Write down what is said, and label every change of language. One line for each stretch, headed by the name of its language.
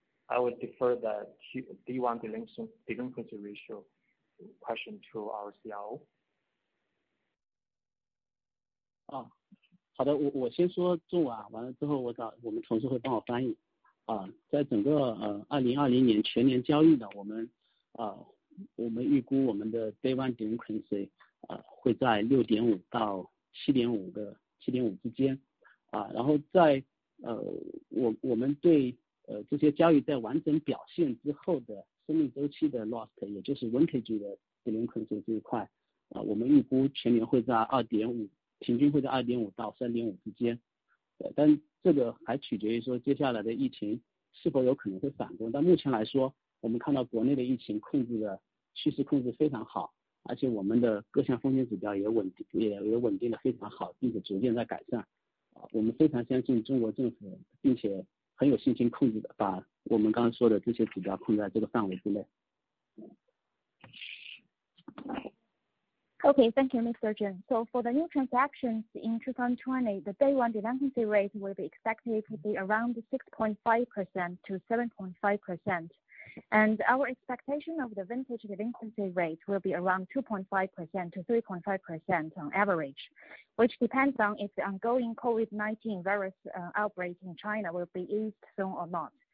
English: I would defer the D1 delinquency ratio question to our CRO.
Chinese: 好的，我先说中文啊，完了之后我们同事会帮我翻译啊。在整个2020年全年交易呢，我们预估我们的
English: day one delinquency
Chinese: 会在6.5到7.5之间啊。然后在我们对这些交易在完整表现之后的生命周期的 lost， 也就是 vintage 的 delinquency 这一块，我们预估全年会在 2.5， 平均会在 2.5 到 3.5 之间，但这个还取决于说接下来的疫情是否有可能会反攻。但目前来说，我们看到国内的疫情控制的趋势控制非常好，而且我们的各项风险指标也稳定的非常好，并且逐渐在改善。我们非常相信中国政府，并且很有信心控制的把我们刚刚说的这些指标控制在这个范围之内。
English: Okay, thank you, Mr. Chen. So for the new transactions in 2020, the day one delinquency rate will be expected to be around 6.5% to 7.5%. And our expectation of the vintage delinquency rate will be around 2.5% to 3.5% on average, which depends on if the ongoing COVID-19 virus outbreak in China will be eased soon or not.